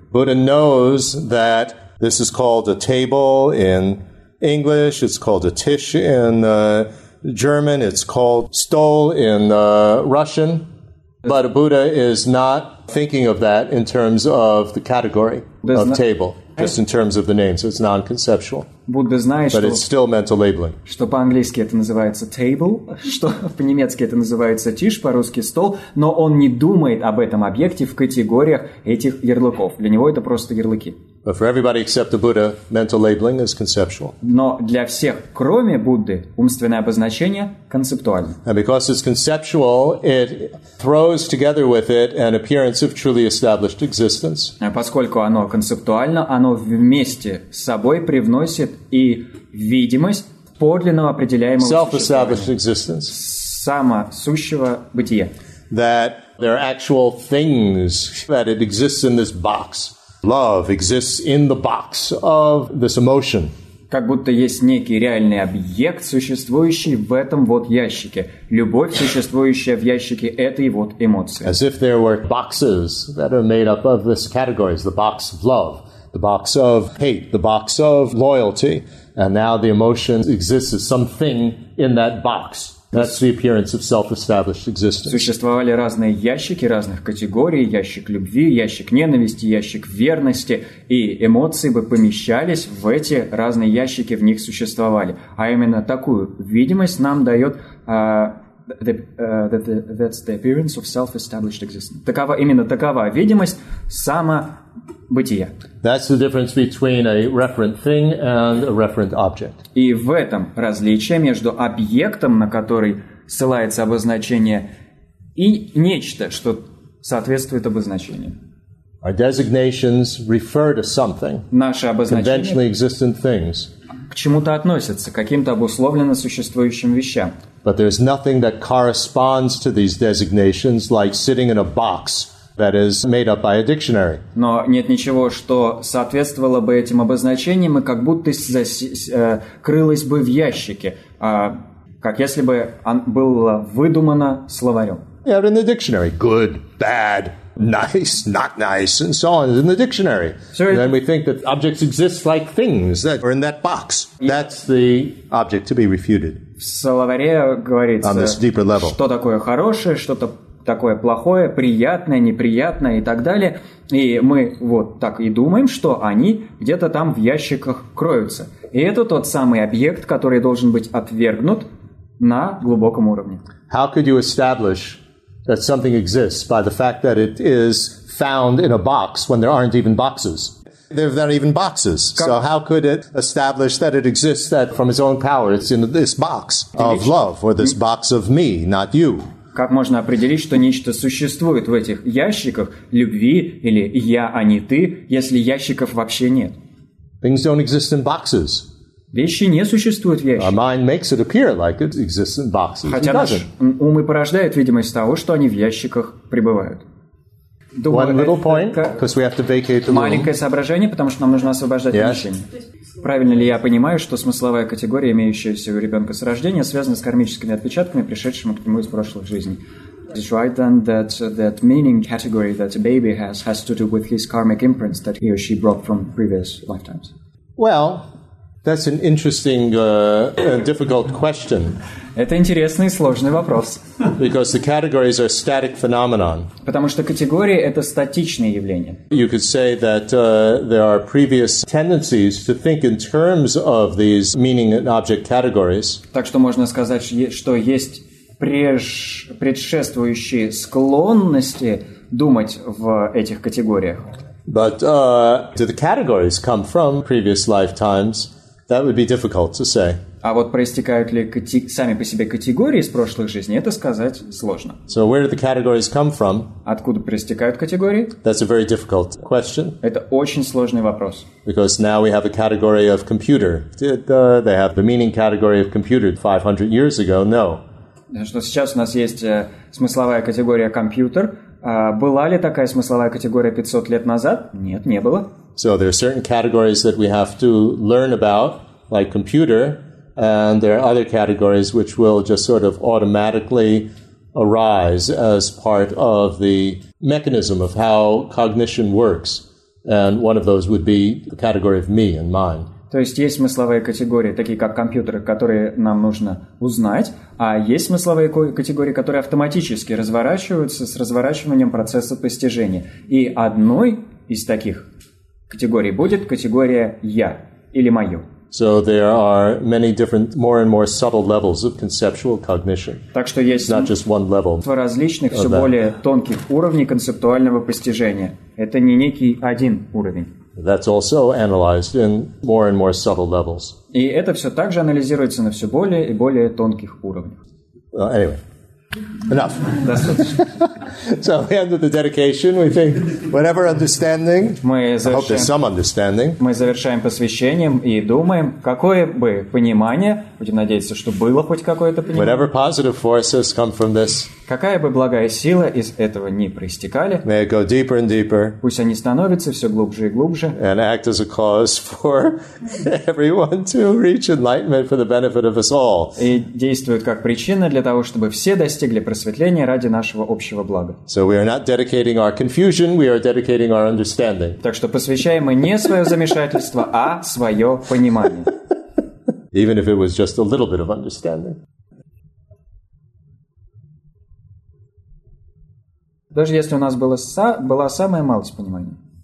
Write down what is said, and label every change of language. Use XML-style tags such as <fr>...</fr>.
<en>Buddha knows that this is called a table in English, it's called a tisch in German, it's called stool in Russian. But a Buddha is not thinking of that in terms of the category of table, just in terms of the name. So it's non-conceptual.</en> <ru>Будда знает,</ru> <en>but it's still mental labeling.</en> <ru>Что по-английски это называется table, что по-немецки это называется tisch, по-русски стол, но он не думает об этом объекте в категориях этих ярлыков. Для него это просто ярлыки.</ru> <en>But for everybody except the Buddha, mental labeling is conceptual.</en> <ru>Но для всех, кроме Будды, умственное обозначение концептуально.</ru> <en>And because it's conceptual, it throws together with it an appearance of truly established existence.</en> <ru>А поскольку оно концептуально, оно вместе с собой привносит и видимость подлинного определяемого</ru> <en>self-established existence.</en> <ru>Самосущего бытия.</ru> <en>That there are actual things that it exists in this box. Love exists in the box of this emotion.</en> <ru>Как будто есть некий реальный объект, существующий в этом вот ящике. Любовь, существующая в ящике этой вот эмоции.</ru> <en>As if there were boxes that are made up of these categories. The box of love, the box of hate, the box of loyalty. And now the emotion exists as something in that box. That's the appearance of self-established existence.</en> <ru>Существовали разные ящики разных категорий: ящик любви, ящик ненависти, ящик верности, и эмоции бы помещались в эти разные ящики, в них существовали. А именно такую видимость нам дает</ru> <en>that's the appearance of self-established existence.</en> <ru>Такова видимость самобытия.</ru> <en>That's the difference between a referent thing and a referent object.</en> <ru>И в этом различие между объектом, на который ссылается обозначение, и нечто, что соответствует обозначению.</ru> <en>Our designations refer to something.</en> <ru>Наши обозначения</ru> <en>conventionally existent things.</en> <ru>К чему-то относятся, к каким-то обусловленно существующим вещам.</ru> <en>But there's nothing that corresponds to these designations like sitting in a box that is made up by a dictionary.</en> <ru>Но нет ничего, что соответствовало бы этим обозначениям и как будто крылось бы в ящике, как если бы было выдумано словарем.</ru> <en>Yeah, in the dictionary. Good, bad, nice, not nice, and so on. It's in the dictionary. So and then we think that objects exist like things that are in that box. That's the object to be refuted.</en> <ru>В словаре говорится, что такое хорошее, что-то такое плохое, приятное, неприятное и так далее. И мы вот так и думаем, что они где-то там в ящиках кроются. И это тот самый объект, который должен быть отвергнут на глубоком уровне.</ru> <en>How could you establish that something exists by the fact that it is found in a box when there aren't even boxes? There aren't even boxes. So how could it establish that it exists, that from its own power it's in this box of love, or this box of me, not you?</en> <ru>Как можно определить, что нечто существует в этих ящиках любви или я, а не ты, если ящиков вообще нет?</ru> <en>Things don't exist in boxes.</en> <ru>Вещи не существуют в ящиках.</ru> <en>Our mind makes it appear like it exists in boxes.</en> <ru>Хотя наш ум и порождает видимость того, что они в ящиках пребывают. Думаю,</ru> <en>one little point, because we have to vacate the room.</en> <ru>Маленькое соображение, потому что нам нужно освобождать помещение. Правильно ли я понимаю, что смысловая категория, имеющаяся у ребенка с рождения, связана с кармическими отпечатками, пришедшими к нему из прошлых жизней?</ru> <en>Is it right then that that meaning category that a baby has to do with his karmic imprints that he or she brought from previous lifetimes? Well, that's an interesting, difficult question.</en> <ru>Это интересный и сложный вопрос.</ru> <en>Because the categories are static phenomenon.</en> <ru>Потому что категории — это статичные явления.</ru> <en>You could say that there are previous tendencies to think in terms of these meaning and object categories.</en> <ru>Так что можно сказать, что есть предшествующие склонности думать в этих категориях.</ru> <en>But do the categories come from previous lifetimes? That would be difficult to say.</en> <ru>А вот проистекают ли сами по себе категории из прошлых жизней, это сказать сложно.</ru> <en>So where do the categories come from?</en> <ru>Откуда проистекают категории?</ru> <en>That's a very difficult question.</en> <ru>Это очень сложный вопрос.</ru> <en>Because now we have a category of computer. Did they have the meaning category of computer 500 years ago? No.</en> <ru>Что сейчас у нас есть смысловая категория компьютер. Была ли такая смысловая категория 500 лет назад? Нет, не было.</ru> <en>So there are certain categories that we have to learn about, like computer, and there are other categories which will just sort of automatically arise as part of the mechanism of how cognition works. And one of those would be the category of me and mine.</en> <ru>То есть есть смысловые категории, такие как компьютеры, которые нам нужно узнать, а есть смысловые категории, которые автоматически разворачиваются с разворачиванием процесса постижения. И одной из таких категорий будет категория «я» или «моё».</ru> <en>So there are many different, more and more subtle levels of conceptual cognition.</en> <ru>Так что есть</ru> <en>not just one level</en> <ru>различных, все более тонких уровней концептуального постижения. Это не некий один уровень.</ru> <en>That's also analyzed in more and more subtle levels.</en> <ru>И это все также анализируется на все более и более тонких уровнях.</ru> <en>Anyway, enough.</en> <ru>Достаточно.</ru> <en>So, end of the dedication, we think, whatever understanding, I hope there's some understanding.</en> <ru>Мы завершаем посвящением и думаем, какое бы понимание, будем надеяться, что было хоть какое-то понимание.</ru> <en>Whatever positive forces come from this.</en> <ru>Какая бы благая сила из этого ни проистекали,</ru> <en>may it go deeper and deeper,</en> <ru>пусть они становятся все глубже и глубже,</ru> <en>and act as a cause for everyone to reach enlightenment for the benefit of us all.</en> <ru>И действуют как причина для того, чтобы все достигли просветления ради нашего общего блага.</ru> <en>So we are not dedicating our confusion, we are dedicating our understanding.</en> <ru>Так что посвящаем мы не свое замешательство, а свое понимание.</ru> <en>Even if it was just a little bit of understanding.</en> <ru>Даже если у нас была самая малость понимания.</ru>